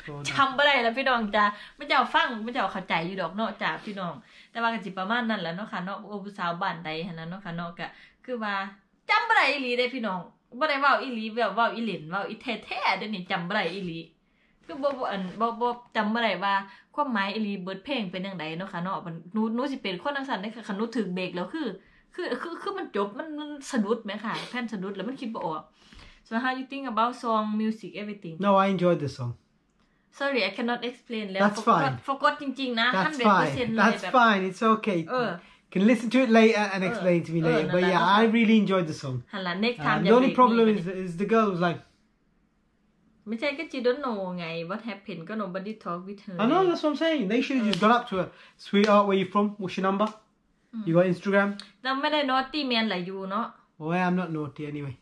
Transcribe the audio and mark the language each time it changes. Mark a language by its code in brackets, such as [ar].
[th] จําบ่ได้แล้วพี่น้องจ้าไม่เจ้าฟังไม่เจ้าเข้าใจอยู่ดอกเนาะจ้าพี่น้องแต่ว่าก็สิประมาณนั้นแหละเนาะค่ะเนาะผู้สาวบ้านใดหั่นน่ะเนาะค่ะเนาะก็คือว่าจําบ่ได้อีหลีเด้พี่น้องบ่ได้เว้าอีหลีแบบเว้าอีหลินเว้าอีแท้ๆเด้นี่จําบ่ได้อีหลีคือบ่อันบ่จําบ่ได้ว่าความหมายอีหลีเบิดเพลงเป็นจังได๋เนาะค่ะเนาะหนูสิเป็นคนจังซั่นเด้ค่ะคันหนูถึกเบรกแล้วคือมันจบมันสะดุดมั้ยค่ะแผ่นสะดุดแล้วมันคิดบ่ออก [en] So how you think about song music everything No I enjoyed the songsong. Sorry, I cannot explain. That's fine. Forgot [th] จริงๆนะ [en] 100% That's fine. It's okay. Can listen to it later and explain to me later. But yeah, I really enjoyed the song. The only problem is the girl was like... [th] ไม่ใช่ก็จีดอนโนไง [en] What happened? ก็ nobody talk with her. I know, that's what I'm saying. They should have just gone up to her. Sweetheart, where you from? What's your number? You got Instagram? [th] เราไม่ได้ [en] naughty man like you, no? Well, I'm not naughty anyway.